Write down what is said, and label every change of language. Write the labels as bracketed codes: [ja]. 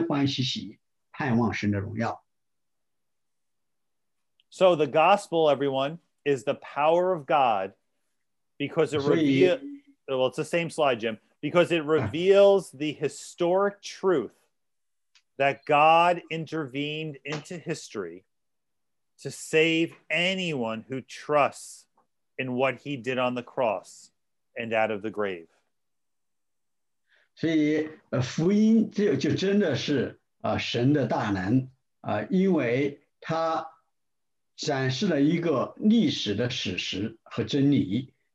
[zh] 在罗马书第五章一到二节里头，说到说我们既因信称义，就借着我们的主耶稣基督得与神相合，我们又借着他因信得进入现在所站的这恩典中，并且欢欢喜喜盼望神的荣耀。 [en] So the gospel, everyone, is the power of God. Because it reveals, well, it's the same slide, Jim, because it reveals the historic truth that God intervened into history to save anyone who trusts in what he did on the cross and out of the grave. [zh] 所以福音就真的是神的大能，因为他展示了一个历史的史实和真理。